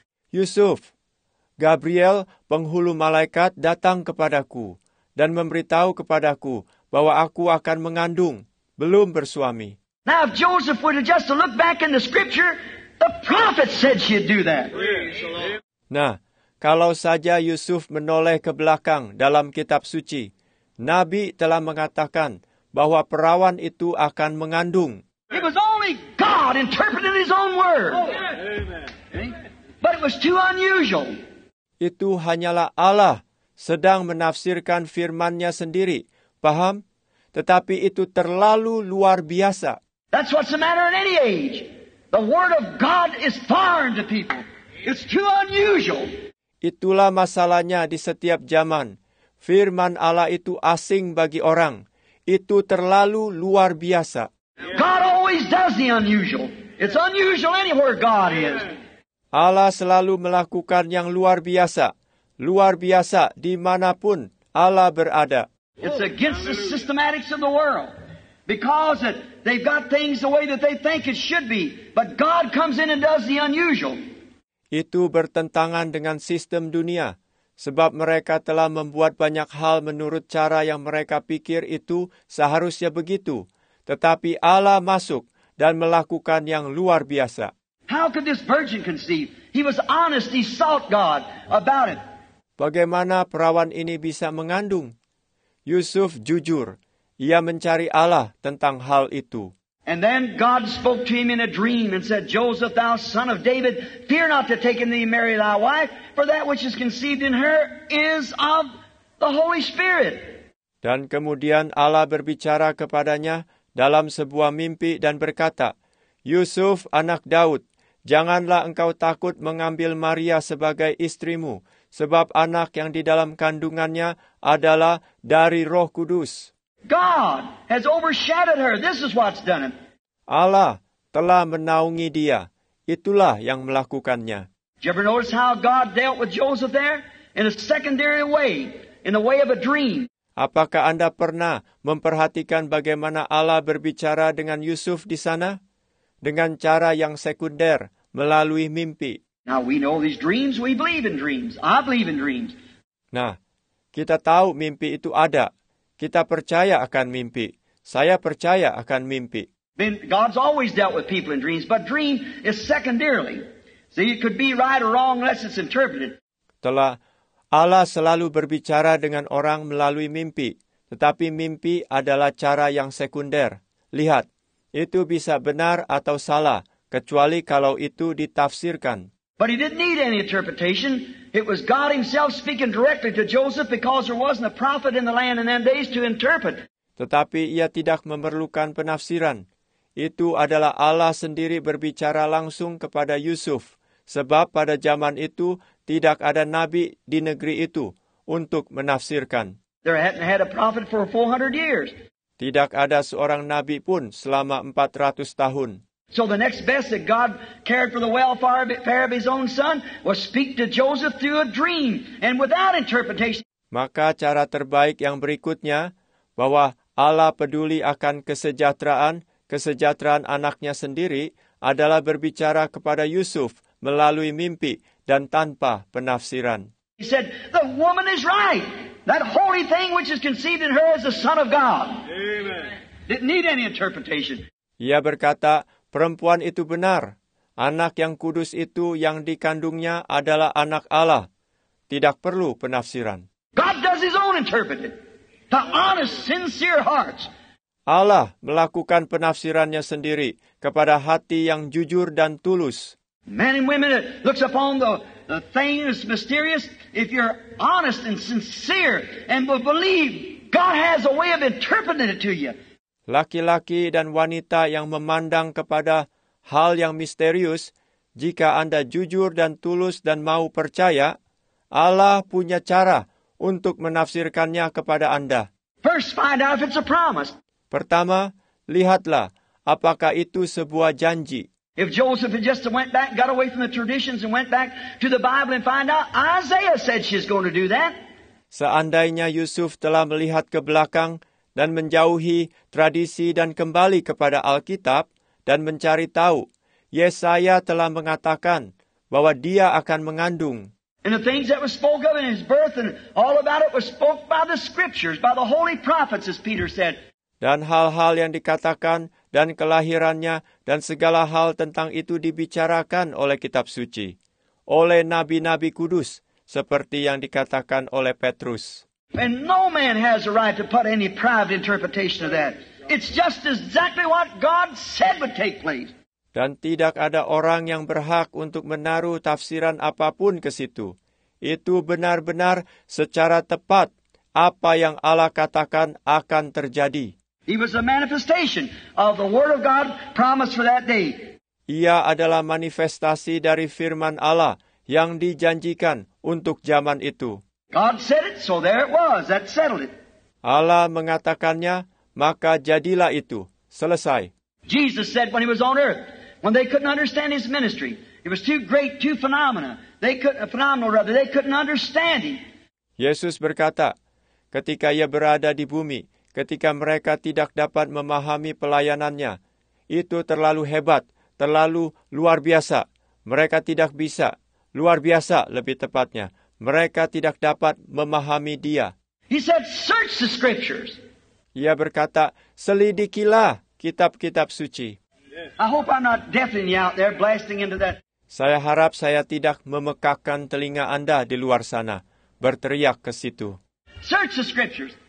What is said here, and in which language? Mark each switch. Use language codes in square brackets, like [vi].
[id] Yusuf, Gabriel, penghulu malaikat, datang kepadaku dan memberitahu kepadaku bahwa aku akan mengandung, belum bersuami. [en] Now, if Joseph were to just look back in the scripture, the prophet said she'd do that. [id] Nah, kalau saja Yusuf menoleh ke belakang dalam kitab suci, Nabi telah mengatakan bahwa perawan itu akan mengandung. [en] It was only God. God interpreting His own word. But it was too unusual. [id] Itu hanyalah Allah sedang menafsirkan firman-Nya sendiri. Paham? Tetapi itu terlalu luar biasa. [en] That's what's the matter in any age. The word of God is foreign to people. It's too unusual. [id] Itulah masalahnya di setiap zaman. Firman Allah itu asing bagi orang. Itu terlalu luar biasa. [en] God always does the unusual. It's unusual anywhere God is. [id] Allah selalu melakukan yang luar biasa. Luar biasa dimanapun Allah berada. [en] It's against the systematics of the world. Because they've got things the way that they think it should be. But God comes in and does the unusual. [id] Itu bertentangan dengan sistem dunia. Sebab mereka telah membuat banyak hal menurut cara yang mereka pikir itu seharusnya begitu. Tetapi Allah masuk dan melakukan yang luar biasa. [en] How could this virgin conceive? He was honest, he sought God about it. [id] Bagaimana perawan ini bisa mengandung? Yusuf jujur. Ia mencari Allah tentang hal itu. [en] And then God spoke to him in a dream and said, Joseph, thou son of David, fear not to take in thee Mary thy wife, for that which is conceived in her is of the Holy Spirit. [id] Dan kemudian Allah berbicara kepadanya dalam sebuah mimpi dan berkata, Yusuf, anak Daud, janganlah engkau takut mengambil Maria sebagai istrimu, sebab anak yang di dalam kandungannya adalah dari Roh Kudus. [en] God has overshadowed her. This is what's done it. [id] Allah telah menaungi dia. Itulah yang melakukannya. [en] Did you ever notice how God dealt with Joseph there? In a secondary way, in the way of a dream. [id] Apakah Anda pernah memperhatikan bagaimana Allah berbicara dengan Yusuf di sana? Dengan cara yang sekunder, melalui mimpi. [en] Now we know these dreams, we believe in dreams. I believe in dreams. [id] Nah, kita tahu mimpi itu ada. Kita percaya akan mimpi. Saya percaya akan mimpi. [en] God's always dealt with people in dreams, but dream is secondarily. See, it could be right or wrong unless it's interpreted. [id] Telah Allah selalu berbicara dengan orang melalui mimpi, tetapi mimpi adalah cara yang sekunder. Lihat, itu bisa benar atau salah, kecuali kalau itu ditafsirkan. [en] But he didn't need any interpretation. It was God himself speaking directly to Joseph because there wasn't a prophet in the land in them days to interpret. [id] Tetapi ia tidak memerlukan penafsiran. Itu adalah Allah sendiri berbicara langsung kepada Yusuf. Sebab pada zaman itu tidak ada nabi di negeri itu untuk menafsirkan. [en] There hadn't had a prophet for 400 years. [id] Tidak ada seorang nabi pun selama 400 tahun. [en] So the next best that God cared for the welfare of his own son was speak to Joseph through a dream and without interpretation. [id] Maka cara terbaik yang berikutnya, bahwa Allah peduli akan kesejahteraan anaknya sendiri, adalah berbicara kepada Yusuf melalui mimpi dan tanpa penafsiran. [en] He said, the woman is right. That holy thing which is conceived in her is the Son of God. Amen. Didn't need any interpretation. [id] Ia berkata, perempuan itu benar. Anak yang kudus itu yang dikandungnya adalah anak Allah. Tidak perlu penafsiran. [en] God does his own interpreting. The honest, sincere hearts. [id] Allah melakukan penafsirannya sendiri kepada hati yang jujur dan tulus. [en] Men and women that looks upon the thing is mysterious. If you're honest and sincere and believe, God has a way of interpreting it to you. [id] Laki-laki dan wanita yang memandang kepada hal yang misterius, jika Anda jujur dan tulus dan mau percaya, Allah punya cara untuk menafsirkannya kepada Anda. [en] First, find out if it's a promise. [id] Pertama, lihatlah apakah itu sebuah janji. [en] If Joseph had just went back, got away from the traditions and went back to the Bible and find out, Isaiah said she's going to do that. [id] Seandainya Yusuf telah melihat ke belakang dan menjauhi tradisi dan kembali kepada Alkitab dan mencari tahu, Yesaya telah mengatakan bahwa dia akan mengandung. [en] And the things that was spoke of in his birth and all about it was spoke by the scriptures, by the holy prophets, as Peter said. [id] Dan hal-hal yang dikatakan dan kelahirannya dan segala hal tentang itu dibicarakan oleh kitab suci, oleh nabi-nabi kudus, seperti yang dikatakan oleh Petrus. [en] And no man has a right to put any private interpretation of that. It's just exactly what God said would take place. [id] dan tidak ada orang yang berhak untuk menaruh tafsiran apapun ke situ. Itu benar-benar secara tepat apa yang Allah katakan akan terjadi. [en] He was a manifestation of the word of God promised for that day. [id] Ia adalah manifestasi dari firman Allah yang dijanjikan untuk zaman itu. [en] God said it, so there it was. That settled it. [id] Allah mengatakannya, maka jadilah itu. Selesai. [en] Jesus said when he was on earth, when they couldn't understand his ministry, it was too great, too phenomenal. They couldn't understand him. [id] Yesus berkata, ketika ia berada di bumi, ketika mereka tidak dapat memahami pelayanannya, itu terlalu hebat, terlalu luar biasa. Mereka tidak bisa, luar biasa lebih tepatnya. Mereka tidak dapat memahami dia. [en] He said, "Search the scriptures." [id] Ia berkata, selidikilah kitab-kitab suci. [en] I hope I'm not deafening you out there, blasting into that. [id] Saya harap saya tidak memekakkan telinga Anda di luar sana, berteriak ke situ. [en] Search the scriptures.